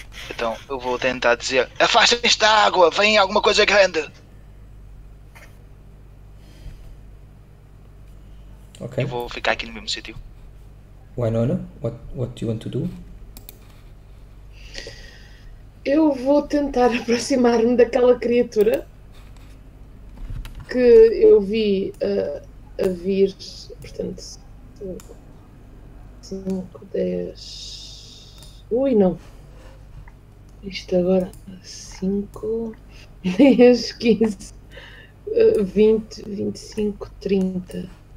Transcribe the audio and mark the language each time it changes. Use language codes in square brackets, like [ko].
[pt] Então eu vou tentar dizer: afastem-se da água, vem alguma coisa grande. Okay. Eu vou ficar aqui no mesmo sítio. [en] Wynonna, what do you want to do? [pt] Eu vou tentar aproximar-me daquela criatura que eu vi a vir, portanto, 5, 10, ui não, isto agora, 5, 10, 15, 20, 25, 30.